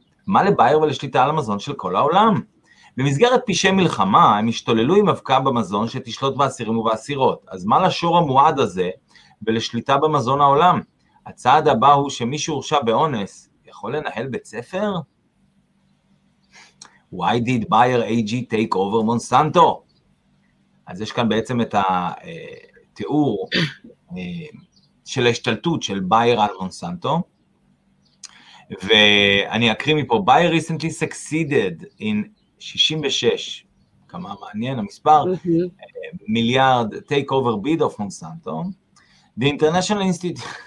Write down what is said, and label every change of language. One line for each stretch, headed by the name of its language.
Hebrew: מה לבייר ולשליטה על המזון של כל העולם? במסגרת פישי מלחמה, הם השתוללו עם אבקה במזון שתשלוט באסירים ובאסירות. אז מה לשור המועד הזה ולשליטה במזון העולם? הצעד הבא הוא שמי שהורשע באונס יכול לנהל בית ספר?
English: Why did Bayer AG take over Monsanto?
Hebrew: אז יש כאן בעצם את התיאור של ההשתלטות של בייר על מונסנטו, ואני אקריא מפה, בייר
English: recently succeeded in 66,
Hebrew: כמה מעניין המספר, מיליארד
English: take over bid of Monsanto, the international institute,